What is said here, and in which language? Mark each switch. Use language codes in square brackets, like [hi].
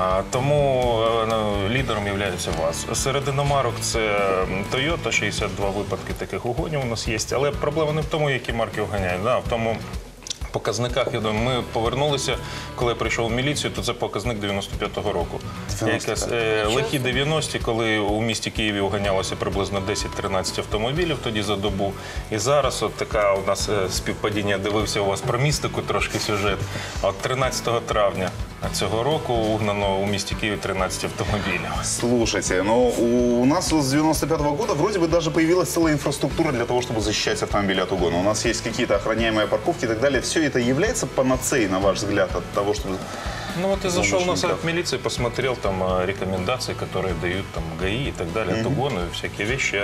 [uk] Тому лідером являються ВАЗ. Серед іномарок це Toyota, 62 випадки таких угонів у нас є. Але проблема не в тому, які марки вганяють, а в тому показниках. Я думаю, ми повернулися, коли я прийшов в міліцію, то це показник 95-го року. Лихі 90-ті, коли у місті Києві уганялося приблизно 10-13 автомобілів тоді за добу. І зараз от така у нас співпадіння, дивився у вас про містику трошки сюжет. От 13 травня. А цього року угнано у місті Києві 13 автомобілів. [ru] Слушайте, ну у нас з 95-го года вроде бы даже появилась целая инфраструктура для того, чтобы защищать автомобили от угона. У нас есть какие-то охраняемые парковки и так далее. Все это является панацеей, на ваш взгляд, от того, чтобы... Ну вот и зашел на сайт милиции, посмотрел там рекомендации, которые дают там ГАИ и так далее, от угона и всякие вещи.